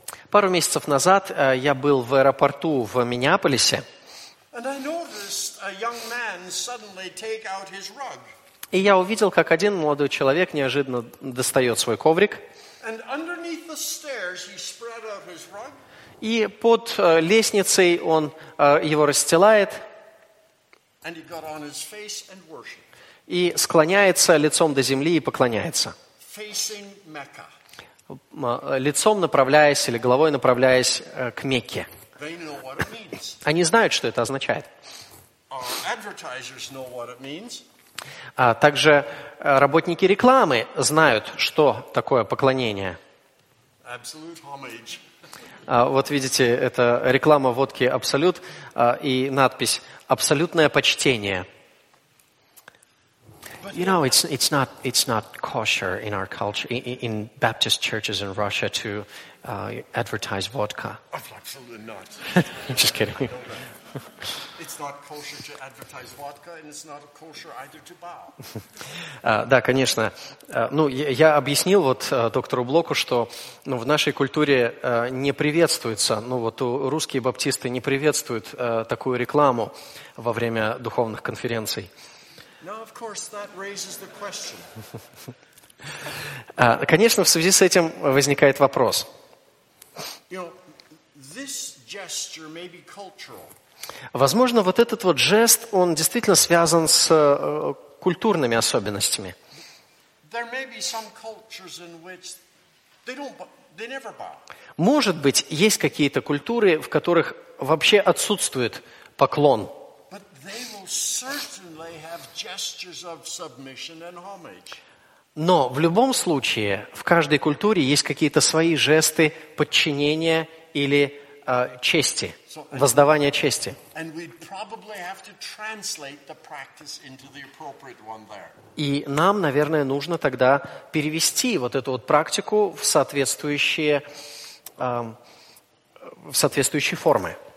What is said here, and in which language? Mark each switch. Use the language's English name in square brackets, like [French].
[Russian] Пару месяцев назад я был в аэропорту в Миннеаполисе, [English] And I noticed a young man suddenly take out his rug. [Russian] И я увидел, как один молодой человек неожиданно достает свой коврик. [English] And underneath the stairs he spread out his rug. [Russian] И под лестницей он его расстилает. [English] And he got on his face and worshiped. [Russian] И склоняется лицом до земли и поклоняется. [English] Facing Mecca. [Russian] Лицом направляясь или головой направляясь к Мекке. [English] They know what it means. [Russian] Они знают, что это означает. [English] Our advertisers know what it means. [Russian] Также работники рекламы знают, что такое поклонение. [English] Absolute homage. [Russian] Вот видите, это реклама водки «Абсолют» и надпись «Абсолютное почтение». [English] You know, it's not kosher in our culture, in Baptist churches in Russia to advertise vodka. Absolutely not. Just kidding. It's not kosher to advertise vodka, and it's not kosher either to bow. [Russian] Да, конечно. Ну, я объяснил вот доктору Блоку, что в нашей культуре не приветствуется, вот русские баптисты не приветствуют такую рекламу во время духовных конференций. [English] Now, of course, that raises the question. [Russian] Конечно, в связи с этим возникает вопрос. [English] You know, this gesture may be cultural. [Russian] Возможно, вот этот вот жест, он действительно связан с культурными особенностями. [English] There may be some cultures in which they never bow. [Russian] Может быть, есть какие-то культуры, в которых вообще отсутствует поклон. [English] They will certainly have gestures of submission and homage. [Russian] Но в любом случае в каждой культуре есть какие-то свои жесты подчинения или чести, воздавания чести. [English] And we'd probably have to translate the practice into the appropriate one there. [Russian] И нам, наверное, нужно тогда перевести вот эту вот практику в соответствующие формы.